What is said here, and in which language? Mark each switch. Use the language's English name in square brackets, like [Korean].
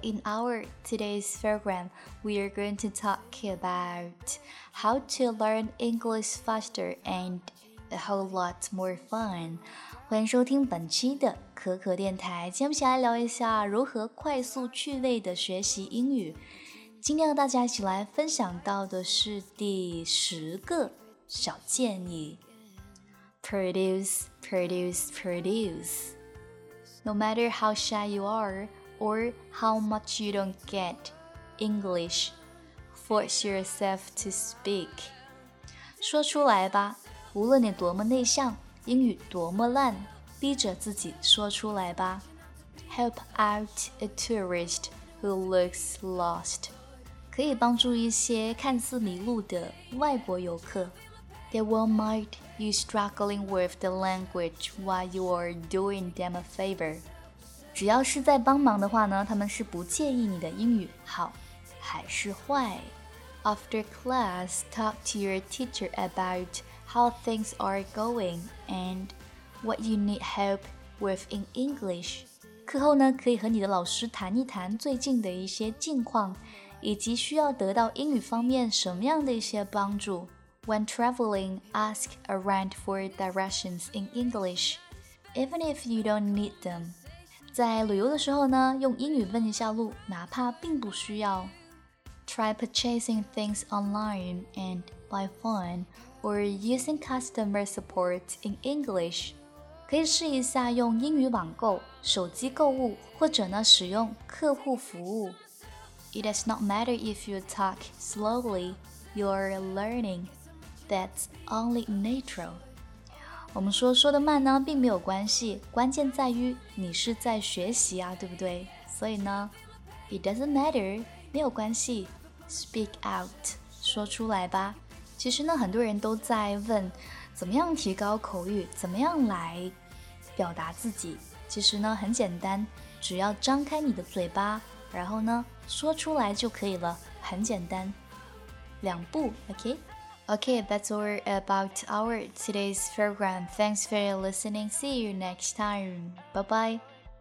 [English] In our today's program, we are going to talk about how to learn English faster and a whole lot more fun. [Chinese] 欢迎收听本期的可可电台。接下来聊一下如何快速趣味的学习英语。今天和大家一起来分享到的是第十个小建议。 [English] Produce, produce, produce. No matter how shy you are, or how much you don't get English, force yourself to speak. [Chinese] 说出来吧，无论你多么内向，英语多么烂，逼着自己说出来吧。 [English] Help out a tourist who looks lost. [Chinese] 可以帮助一些看似迷路的外国游客。 [English] They will mind you struggling with the language while you are doing them a favor. [Chinese] 只要是在帮忙的话呢，他们是不介意你的英语好还是坏。 [English] After class, talk to your teacher about how things are going and what you need help with in English. [Chinese] 课后呢，可以和你的老师谈一谈最近的一些近况，以及需要得到英语方面什么样的一些帮助。 [English] When traveling, ask around for directions in English, even if you don't need them. [Chinese] 在旅游的时候呢，用英语问一下路，哪怕并不需要。 [English] Try purchasing things online and by phone, or using customer support in English. [Chinese] 可以试一下用英语网购、手机购物，或者呢，使用客户服务。 [English] It does not matter if you talk slowly, you're learning. That's only natural. [Chinese] 我们说的慢呢并没有关系，关键在于你是在学习啊，对不对？所以呢 [English] It doesn't matter, [Chinese] 没有关系。 [English] Speak out, [Chinese] 说出来吧。其实呢，很多人都在问怎么样提高口语，怎么样来表达自己。其实呢，很简单，只要张开你的嘴巴，然后呢说出来就可以了，很简单，两步。 [English] OK, that's all about our today's program. Thanks for listening. See you next time. Bye-bye.